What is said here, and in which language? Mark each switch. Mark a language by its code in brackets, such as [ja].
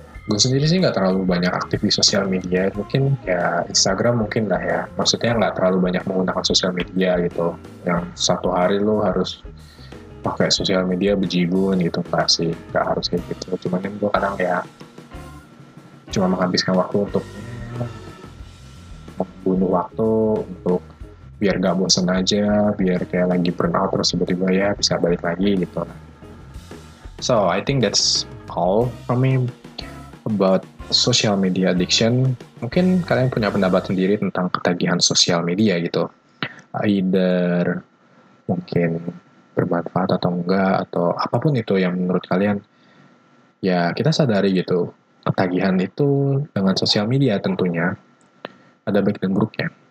[id] Gue sendiri sih gak terlalu banyak aktif di sosial media, mungkin ya Instagram mungkin lah ya, maksudnya gak terlalu banyak menggunakan sosial media gitu, yang satu hari lo harus pakai sosial media bejibun gitu, gak sih, gak harus kayak gitu. Cuman gue kadang ya cuma menghabiskan waktu untuk membunuh waktu, untuk biar gak bosan aja, biar kayak lagi burnout terus tiba-tiba ya bisa balik lagi gitu. [en] So I think that's all for me about social media addiction. [id] Mungkin kalian punya pendapat sendiri tentang ketagihan sosial media gitu, either mungkin bermanfaat atau enggak, atau apapun itu yang menurut kalian. Ya kita sadari gitu, ketagihan itu dengan sosial media tentunya ada baik dan buruknya.